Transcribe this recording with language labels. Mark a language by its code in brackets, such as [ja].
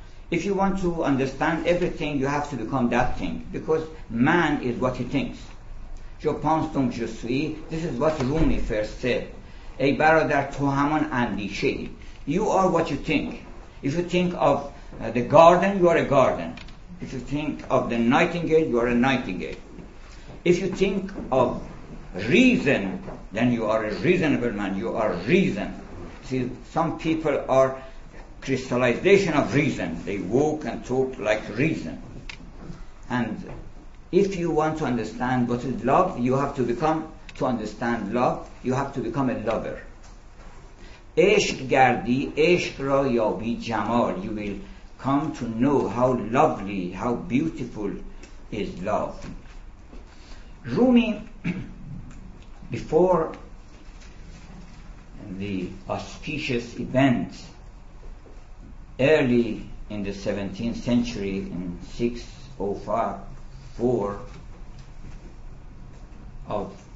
[en] If you want to understand everything, you have to become that thing. Because man is what he thinks. [fr] Je pense donc je suis. [en] This is what Rumi first said. [fa] Ey برادر تو همان اندیشه. [en] You are what you think. If you think of the garden, you are a garden. If you think of the nightingale, you are a nightingale. If you think of reason, then you are a reasonable man. You are reason. See, some people are crystallization of reason. They walk and talk like reason. And if you want to understand what is love, you have to become, to understand love, you have to become a lover. [fa] عشق گردی عشق را یابی جمال. [en] You will come to know how lovely, how beautiful is love. Rumi, before the auspicious event, early in the 17th century, in 604 of